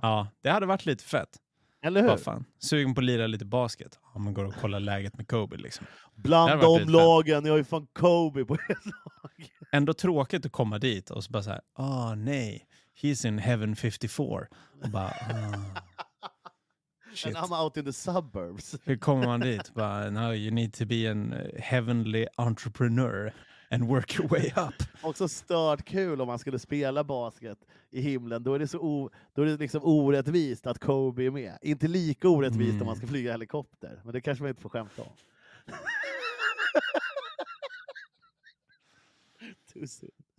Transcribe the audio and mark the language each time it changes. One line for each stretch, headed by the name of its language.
Swedish: Ja, det hade varit lite fett. Eller hur? Fan. Sugen på att lira lite basket. Om man går och kollar läget med Kobe liksom. Bland de lagen, jag har ju fan Kobe på ett lag. Ändå tråkigt att komma dit och så bara såhär, ah nej,
English: he's in heaven 54.
Swedish: Och bara, shit.
English: And I'm out in the suburbs.
Swedish: Hur kommer man dit? Bara,
English: no, you need to be an heavenly entrepreneur and work your way up.
Swedish: Också stört kul om man skulle spela basket i himlen, då är det liksom orättvist att Kobe är med. Inte lika orättvist om man ska flyga helikopter, men det kanske man inte får skämta om.
English: Too soon.